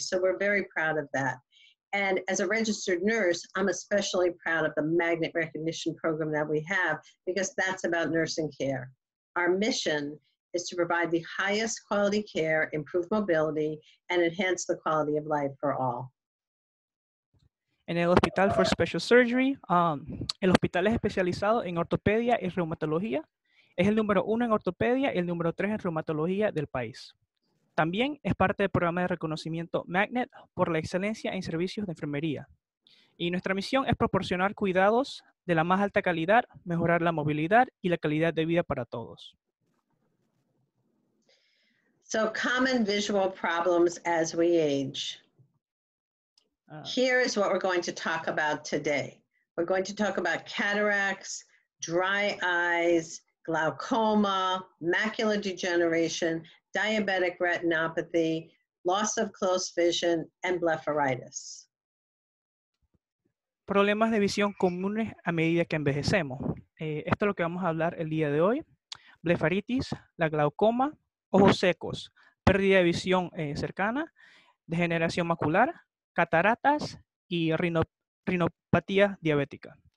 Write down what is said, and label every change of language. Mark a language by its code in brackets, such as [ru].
[en] So we're very proud of that. And as a registered nurse, I'm especially proud of the magnet recognition program that we have because that's about nursing care. Our mission is to provide the highest quality care, improve mobility, and enhance the quality of life for all. [es] En el Hospital for Special Surgery, el hospital es especializado en ortopedia y reumatología. Es el número uno en ortopedia y el número tres en reumatología del país. También es parte del programa de reconocimiento Magnet por la excelencia en servicios de enfermería. Y nuestra misión es proporcionar cuidados de la más alta calidad, mejorar la movilidad y la calidad de vida para todos. [en] So common visual problems as we age. Here is what we're going to talk about today. We're going to talk about cataracts, dry eyes, glaucoma, macular degeneration, diabetic retinopathy, loss of close vision, and blepharitis. [es] Problemas de visión comunes a medida que envejecemos. Esto es lo que vamos a hablar el día de hoy. Blefaritis, la glaucoma, ojos secos, pérdida de visión cercana, degeneración macular, cataratas y retinopatía diabética.